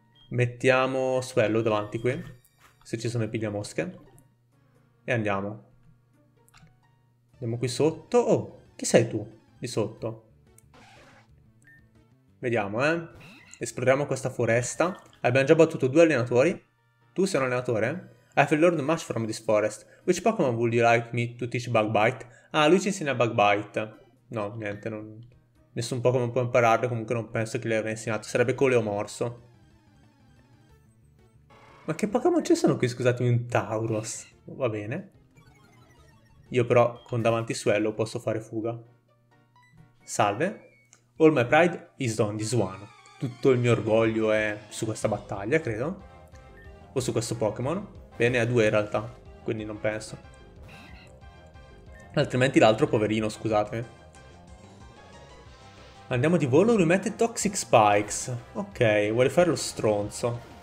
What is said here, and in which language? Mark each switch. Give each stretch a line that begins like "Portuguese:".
Italian: Mettiamo Swallow davanti qui, se ci sono le pigliamosche. E andiamo. Andiamo qui sotto. Oh, chi sei tu? Di sotto. Vediamo, Esploriamo questa foresta. Abbiamo già battuto due allenatori. Tu sei un allenatore?
English: I have learned much from this forest. Which Pokémon would you like me to teach Bug Bite?
Italian: Ah, lui ci insegna Bug Bite. No, niente, non... nessun Pokémon può impararlo. Comunque non penso che gli abbia insegnato. Sarebbe Coleomorso. Ma che Pokémon ci sono qui? Scusatemi, un Tauros. Va bene. Io però con davanti Swallow posso fare fuga. Salve.
English: All my pride is on this one.
Italian: Tutto il mio orgoglio è su questa battaglia, credo. O su questo Pokémon. Bene, ha due in realtà, quindi non penso. Altrimenti l'altro, poverino, scusate. Andiamo di volo, lui mette Toxic Spikes. Ok, vuole fare lo stronzo.